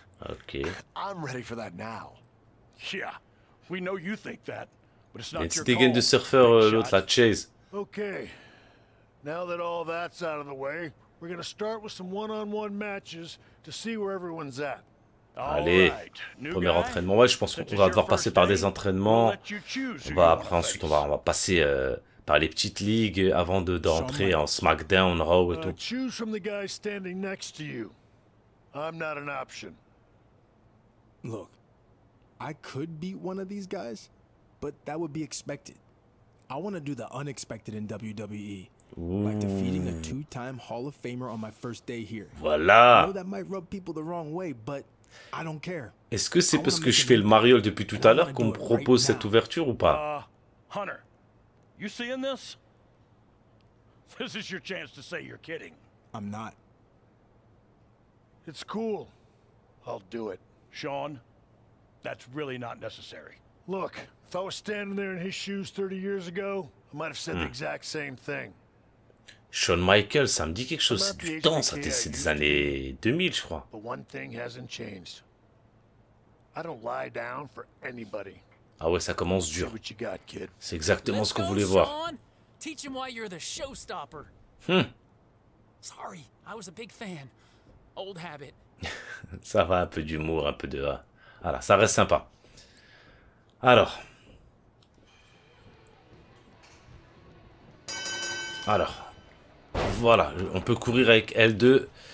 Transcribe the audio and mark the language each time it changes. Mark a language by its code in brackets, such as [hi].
[en] Okay. I'm ready for that now. Yeah, we know you think that, but it's not your call. It's the game [fr] du surfeur, l'autre là, Chase. [en] Okay, now that all that's out of the way, we're gonna start with some one-on-one matches to see where everyone's at. [fr] Allez, premier entraînement. Ouais, je pense qu'on va devoir passer par des entraînements. On va après, ensuite, on va passer par les petites ligues avant de d'entrer en SmackDown, Raw et tout. [en] Choose from the guy standing next to you. I'm not an option. Look, I could beat one of these guys, but that would be expected. I want to do the unexpected in WWE. Like defeating a two-time Hall of Famer on my first day here. [fr] Voilà. [en] I know that might rub people the wrong way, but I don't care. [fr] Est-ce que c'est parce que je fais le mariole depuis tout à l'heure qu'on me propose cette ouverture ou pas? [en] Hunter, you seeing this? This is your chance to say you're kidding. I'm not. It's cool. I'll do it. Sean, that's really not necessary. Look, if I was standing there in his shoes 30 years ago, I might have said the exact same thing. [fr] Shawn Michaels, ça me dit quelque chose, c'est du temps, ça, c'est des années 2000, je crois. [en] But one thing hasn't changed. I don't lie down for anybody. [fr] Ah ouais, ça commence dur. C'est exactement ce qu'on voulait voir. [en] Teach him why you're the showstopper. Hmm. Sorry, I was a big fan. Old habit. [fr] Ça va, un peu d'humour, un peu de... Voilà, ça reste sympa. Alors... Alors... Voilà, on peut courir avec L2.